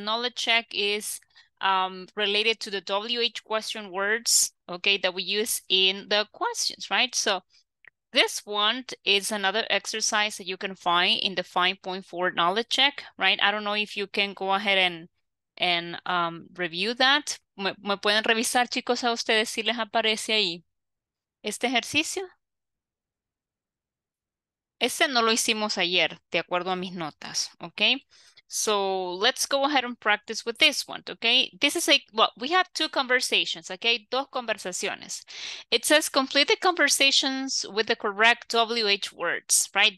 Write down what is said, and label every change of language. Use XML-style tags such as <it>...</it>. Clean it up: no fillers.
<en>The knowledge check is related to the WH question words, okay, that we use in the questions, right? So this one is another exercise that you can find in the 5.4 knowledge check, right? I don't know if you can go ahead and review that.</en> <es>¿Me pueden revisar, chicos, a ustedes si les aparece ahí este ejercicio? Este no lo hicimos ayer, de acuerdo a mis notas, okay?</es> <en>So let's go ahead and practice with this one, okay? This is a, well, we have two conversations, okay?</en> <es>Dos conversaciones.</es> <en>It says complete the conversations with the correct WH words, right?</en>